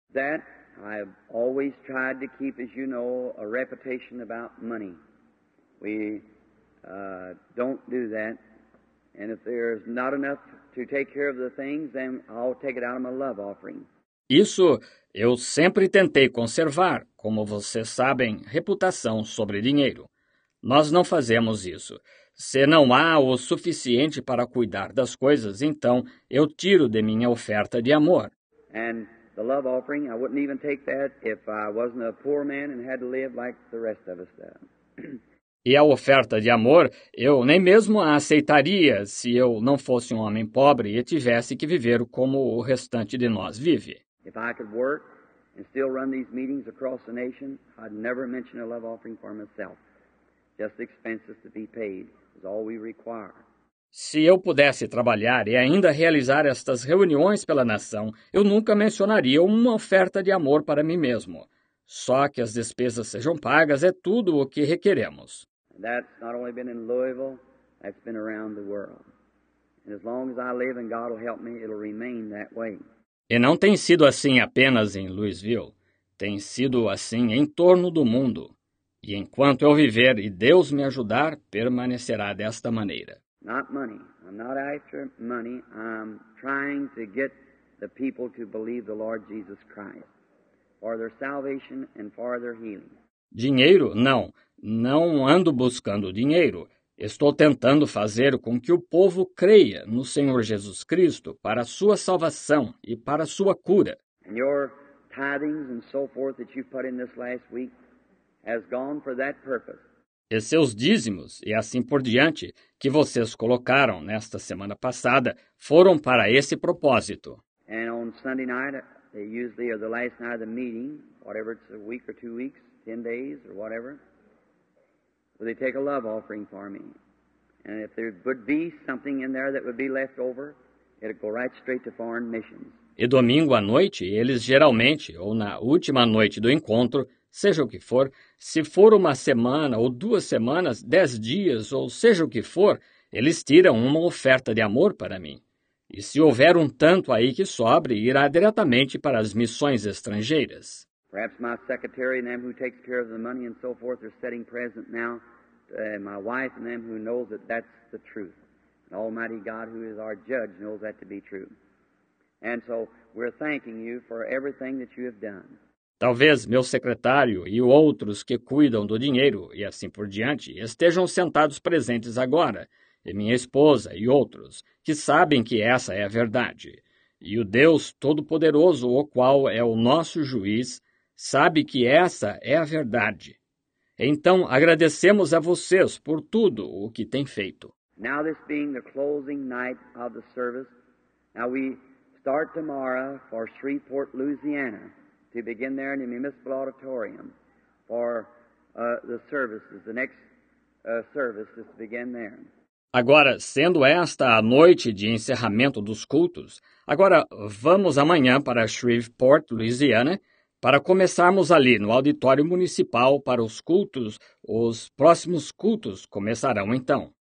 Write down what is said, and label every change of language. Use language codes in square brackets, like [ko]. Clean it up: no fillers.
[en] That I have always tried to keep, as you know, a reputation about money. We don't do that. And if there's not enough to take care of the things, then I'll take it out of my love offering. [pt] Isso eu sempre tentei conservar, como vocês sabem, reputação sobre dinheiro. Nós não fazemos isso. Se não há o suficiente para cuidar das coisas, então eu tiro de minha oferta de amor. [en] And the love offering, I wouldn't even take that if I wasn't a poor man and had to live like the rest of us. [pt] E a oferta de amor, eu nem mesmo a aceitaria se eu não fosse um homem pobre e tivesse que viver como o restante de nós vive. [en] If I could work and still run these meetings across the nation, I'd never mention a love offering for myself. Just the expenses to be paid is all we require. [pt] Se eu pudesse trabalhar e ainda realizar estas reuniões pela nação, eu nunca mencionaria uma oferta de amor para mim mesmo. Só que as despesas sejam pagas é tudo o que requeremos. [en] That's not only been in Louisville, that's been around the world. And as long as I live and God will help me, it'll remain that way. [pt] E não tem sido assim apenas em Louisville, tem sido assim em torno do mundo. E enquanto eu viver e Deus me ajudar, permanecerá desta maneira. [en] Not money. I'm not after money. I'm trying to get the people to believe the Lord Jesus Christ for their salvation and for their healing. [pt] Dinheiro? Não. Não ando buscando dinheiro. Estou tentando fazer com que o povo creia no Senhor Jesus Cristo para a sua salvação e para a sua cura. [en] And your tithings and so forth that you put in this last week has gone for that purpose. [pt] E seus dízimos, e assim por diante, que vocês colocaram nesta semana passada, foram para esse propósito. [en] And on Sunday night, usually or the last night of the meeting, whatever it's a week or 2 weeks, 10 days or whatever, they take a love offering for me. And if there would be something in there that would be left over, it'd go right straight to foreign missions. [pt] E domingo à noite, eles geralmente, ou na última noite do encontro, seja o que for, se for uma semana ou 2 semanas, 10 dias, ou seja o que for, eles tiram uma oferta de amor para mim. E se houver um tanto aí que sobre, irá diretamente para as missões estrangeiras. [en] Perhaps my secretary and them who takes care of the money and so forth are sitting present now, my wife and them who knows that that's the truth. And Almighty God, who is our judge, knows that to be true. And so we're thanking you for everything that you have done. [pt] Talvez meu secretário e outros que cuidam do dinheiro e assim por diante estejam sentados presentes agora, e minha esposa e outros, que sabem que essa é a verdade. E o Deus Todo-Poderoso, o qual é o nosso juiz, sabe que essa é a verdade. Então, agradecemos a vocês por tudo o que têm feito. [en] Now this being the closing night of the service, now we start tomorrow for Shreveport, Louisiana, to begin there in the municipal auditorium for the services, the next service is to begin there. [pt] Agora, sendo esta a noite de encerramento dos cultos, agora vamos amanhã para Shreveport, Louisiana, para começarmos ali no auditório municipal para os cultos. Os próximos cultos começarão então.